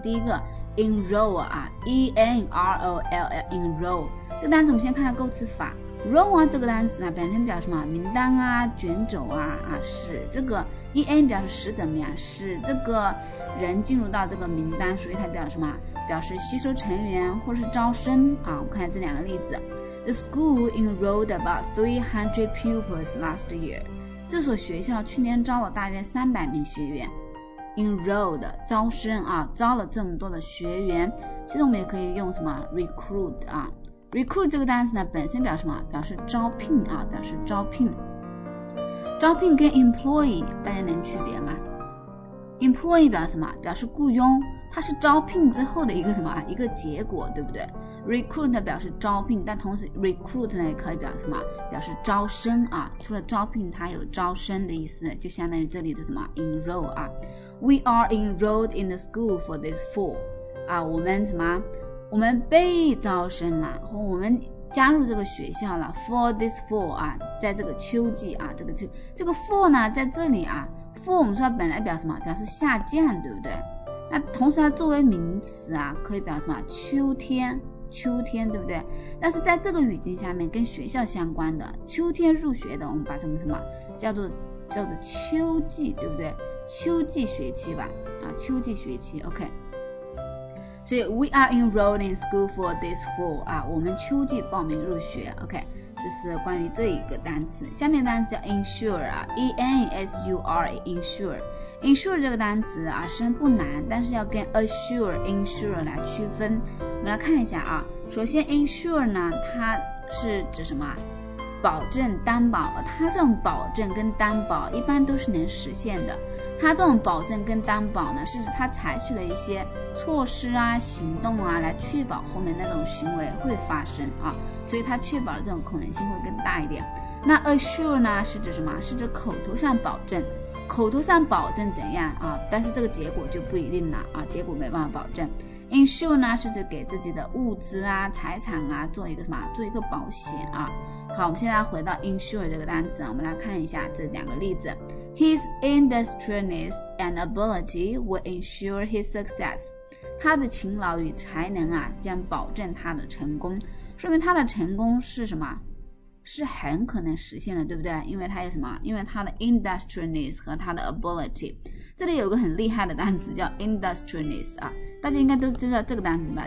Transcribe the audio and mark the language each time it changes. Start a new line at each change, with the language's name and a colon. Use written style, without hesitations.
Chinese: 第一个 enroll 啊 ，enroll enroll 这个单词，我们先看看构词法。 roll 啊，这个单词呢，本身表示什么？名单啊，卷走啊，啊，使这个 en 表示使怎么样？使这个人进入到这个名单，所以它表示什么？表示吸收成员或是招生啊。我们看这两个例子
English: ，The school enrolled about 300 pupils last year。
Chinese: 这所学校去年招了大约300名学员。enrolled 招生啊，招了这么多的学员，其实我们也可以用什么 recruit 啊。 recruit 这个单词呢，本身表示什么？表示招聘啊，表示招聘。招聘跟 employee 大家能区别吗？employee 表示什么？表示雇佣，它是招聘之后的一个什么？一个结果，对不对？ recruit 表示招聘，但同时 recruit 呢也可以表示什么？表示招生啊，除了招聘，它有招生的意思，就相当于这里的什么 enroll 啊。
English: We are enrolled in the school for this fall
Chinese: 啊，我们什么？我们被招生了，和我们加入这个学校了。
English: For this fall
Chinese: 啊，在这个秋季啊，这个 fall 呢，在这里啊 ，fall 我们说本来表什么？表示下降，对不对？那同时它作为名词啊，可以表什么？秋天，对不对？但是在这个语境下面，跟学校相关的秋天入学的，我们把什么什么叫做秋季，对不对？秋季学期吧，啊，秋季学期 ，OK。所以
English: we are enrolled in school for this fall 啊，
Chinese: 我们秋季报名入学。 OK， 这是关于这一个单词。下面单词叫 ensure 啊 ，ensure ensure ensure 这个单词啊，虽然不难，但是要跟 assure ensure 来区分。我们来看一下啊，首先 ensure 呢，它是指什么？保证、担保，它这种保证跟担保一般都是能实现的。它这种保证跟担保呢，是指它采取了一些措施啊、行动啊，来确保后面那种行为会发生啊，所以它确保的这种可能性会更大一点。那 assure 呢，是指什么？是指口头上保证，口头上保证怎样啊？但是这个结果就不一定了啊，结果没办法保证。Insure 呢，是指给自己的物资啊、财产啊做一个什么？做一个保险啊。好，我们现在回到 insure 这个单词，我们来看一下这两个例子。
English: His industriousness and ability will ensure his success.
Chinese: 他的勤劳与才能啊，将保证他的成功。说明他的成功是什么？是很可能实现的，对不对？因为他有什么？因为他的 industriousness 和他的 ability。这里有个很厉害的单词叫 industriousness 啊，大家应该都知道这个单词吧？